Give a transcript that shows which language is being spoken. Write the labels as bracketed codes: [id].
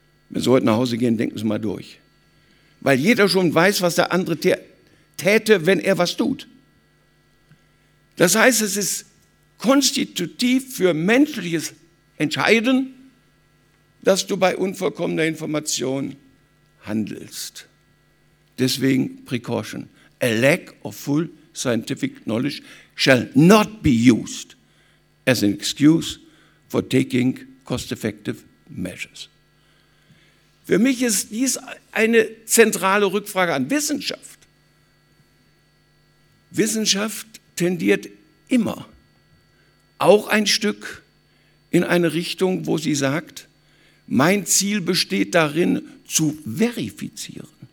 [de] Wenn Sie heute nach Hause gehen, denken Sie mal durch. Weil jeder schon weiß, was der andere täte, wenn er was tut. Das heißt, es ist konstitutiv für menschliches Entscheiden, dass du bei unvollkommener Information handelst. Deswegen Precaution. [en] A lack of full scientific knowledge shall not be used as an excuse for taking cost-effective measures. [de] Für mich ist dies eine zentrale Rückfrage an Wissenschaft. Wissenschaft tendiert immer auch ein Stück in eine Richtung, wo sie sagt, mein Ziel besteht darin, zu verifizieren.